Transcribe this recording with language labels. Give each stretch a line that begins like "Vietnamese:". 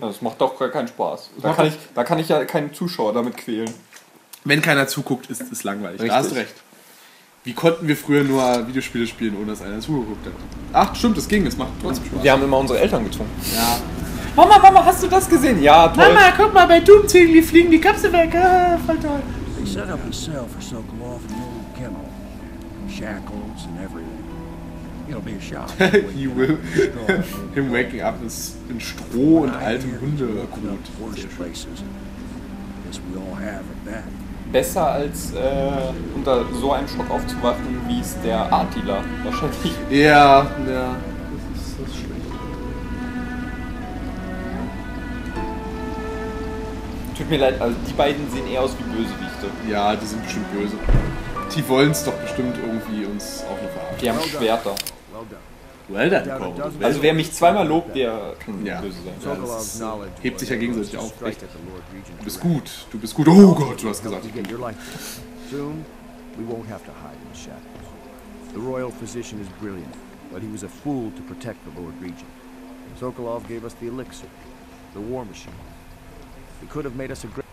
German: Das macht doch gar keinen Spaß. Da kann ich ja keinen Zuschauer damit quälen. Wenn keiner zuguckt, ist es langweilig. Richtig. Da hast du recht. Wie konnten wir früher nur Videospiele spielen, ohne dass einer zugeguckt hat? Ach, stimmt, das ging. Es macht trotzdem Spaß. Wir haben immer unsere Eltern getrunken. Ja. Mama, hast du das gesehen? Ja, toll. Mama, guck mal, bei Doom-Ziegen, die fliegen die Köpfe weg. Ah, voll toll.
English: They set up a cell for Sokolov in the old kennel. Shackles and everything. It'll be a shock. He will. Him waking up is in
German: Stroh und altem Hundekot.
English: Yes, we all have it back.
German: Besser als unter so einem Schock aufzuwachen, wie es der Attila wahrscheinlich. Ja, ja. Das ist schlecht. Tut mir leid, also die beiden sehen eher aus wie Bösewichte. Ja, die sind bestimmt böse. Die wollen es doch bestimmt irgendwie uns auch noch verarschen. Die haben Schwerter.
English: Well done. Well done.
German: Also wer mich zweimal lobt, der kann ja böse sein. Ja, hebt sich ja gegenseitig auf. Echt. Du bist gut. Oh Gott, du hast gesagt, ich bin gut.
English: Soon we won't have to hide in the shadows. The royal physician is brilliant, but he was a fool to protect the Lord Regent. Sokolov gave us the elixir, the war machine. He could have made us a great.